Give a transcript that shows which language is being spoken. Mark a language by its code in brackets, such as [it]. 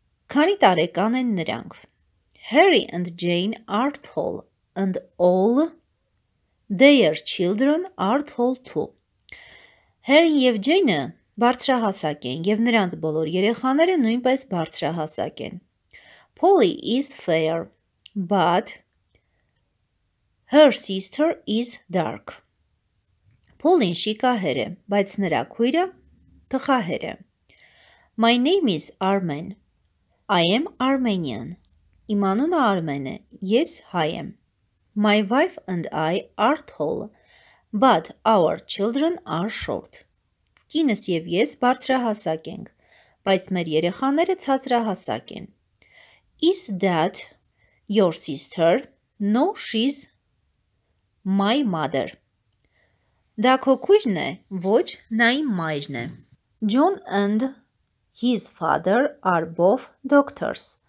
[hy] Քանի տարեկան են նրանք [en] Harry and Jane are tall, and all their children are tall too. [hy] Harry and Jane բարձրահասակ են, և նրանց բոլոր երեխաները նույնպես բարձրահասակ են. [en] Polly is fair, but her sister is dark. [hy] Polly-ն շիկահեր է, բայց նրա քույրը թխահեր է. [en] My name is Armen. I am Armenian. [hy] Իմ անունը Արմեն է, ես հայ եմ. [en] My wife and I are tall, but our children are short. [hy] Կինս և ես բարձրահասակ ենք, բայց մեր երեխաները ցածրահասակ են. [en] Is that your sister? No, she's my mother. [hy] Դա քո քույրն է, ոչ, նա իմ մայրն է. [en] John and his father are both doctors.